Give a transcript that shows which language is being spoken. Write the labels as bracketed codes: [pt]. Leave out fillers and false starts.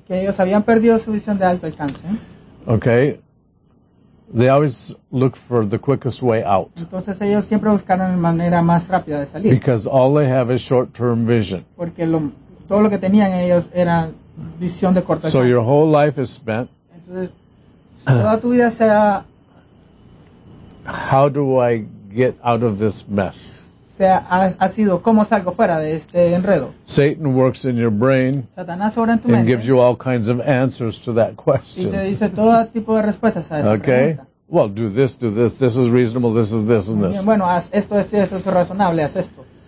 [es] Que ellos habían perdido su visión de alto alcance. [en] Okay. They always look for the quickest way out. [es] Entonces ellos siempre buscaron la manera más rápida de salir. [en] Because all they have is short-term vision. [es] Porque lo, todo lo que tenían ellos era visión de corto [en] alcance. So your whole life is spent. [es] Entonces, toda tu vida será, [en] how do I get out of this mess? [es] Ha sido, ¿cómo salgo fuera de este enredo? [en] Satan works in your brain, [es] Satanás obra en tu [en] and [es] mente, [en] gives you all kinds of answers to that question. [es] Y te dice todo tipo de respuestas a esa, [en] okay, [es] pregunta. [en] Well, do this, this is reasonable, this is this and this. [es] Bien, bueno, haz esto, esto, esto es razonable, haz esto.